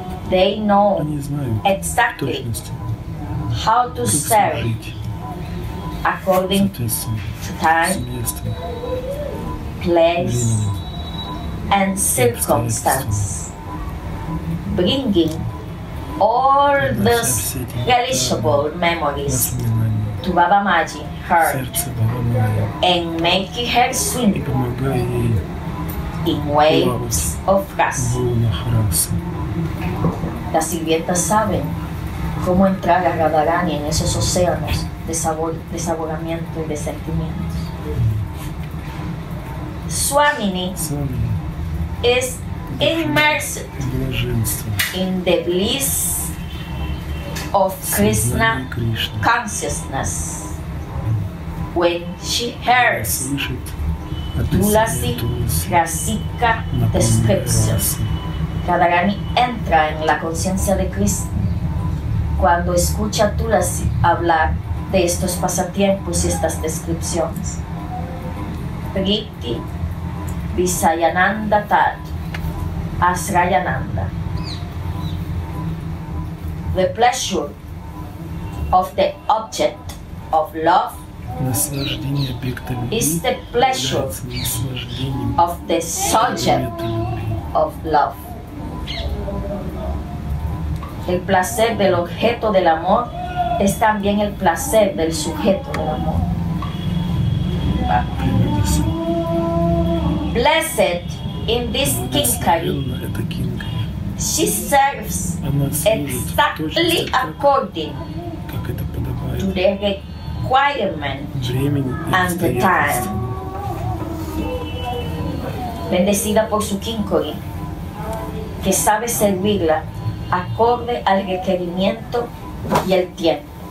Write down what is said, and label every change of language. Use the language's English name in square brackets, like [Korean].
[English] They know exactly how to serve according to time, place, and circumstance, bringing all the relishable memories to Baba Maji, her, and making her swim in waves of rasa. [Spanish] Las sirvientas saben cómo entrar a Radharani en esos océanos de sabor, de saboramiento y de sentimientos. [English] Swamini is immersed in the bliss of Krishna consciousness when she hears Tulasi Rasika descriptions. [Spanish] Radharani entra en la conciencia de Krishna cuando escucha a Tulasi hablar de estos pasatiempos y estas descripciones. [Sanskrit] Priti Visayananda Tat Asrayananda. [English] The pleasure of the object of love is the pleasure of the subject of love. [Spanish] El placer del objeto del amor es también el placer del sujeto del amor. [English] Blessed in this kinkari, she serves exactly according to the requirement and the time. [Spanish] Bendecida por su kinkari, que sabe servirla acorde al requerimiento y el tiempo.